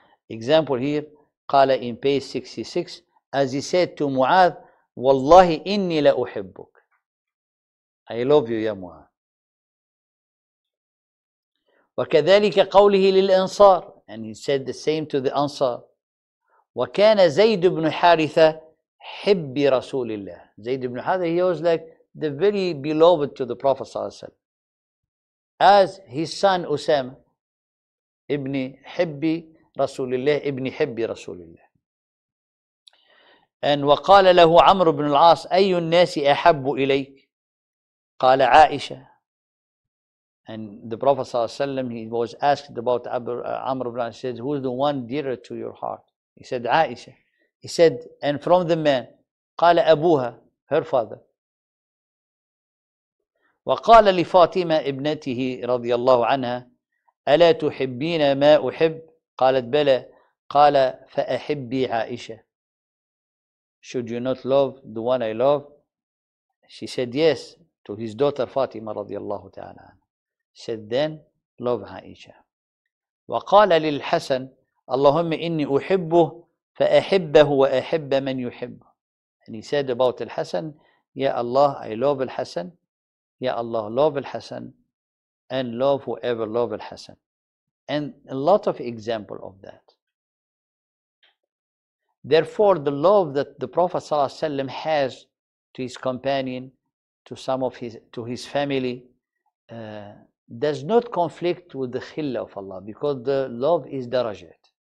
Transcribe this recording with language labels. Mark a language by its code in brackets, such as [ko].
[en] Example here, قال in page 66, as he said to Mu'ad, [ar] والله إني لأحبك. [en] I love you, ya Mu'ad. [ar] وكذلك قوله للأنصار, [en] and he said the same to the Ansar. [ar] وكان زيد بن حارثة حب رسول الله. [en] زيد بن حارثة, he was like the very beloved to the Prophet صلى الله عليه وسلم. As his son Usama, ibn Hibbi رسول الله, [ar] ابن حب رسول الله. And وقال له عمرو بن العاص, أي الناس أحب إليك؟ قال عائشة. [en] And the Prophet صلى الله عليه وسلم, he was asked about عمرو بن العاص, he said, who's the one dearer to your heart? He said, عائشة. He said, and from the man, [ar] قال أبوها, [en] her father. [ar] وقال لفاطمة ابنته رضي الله عنها, ألا تحبين ما أحب؟ قالت بلى. قال فأحبي عائشة. [en] Should you not love the one I love? She said yes to his daughter Fatima رضي الله تعالى عنها. Said then love عائشة. [ar] وقال للحسن اللهم إني أحبه فأحبه وأحب من يحبه. [en] And he said about الحسن, Ya Allah, I love الحسن. Ya Allah, love الحسن and love whoever love الحسن. And a lot of example of that. Therefore, the love that the Prophet ﷺ has to his companion, to some of his, to his family, does not conflict with the khilla of Allah, because the love is darajat.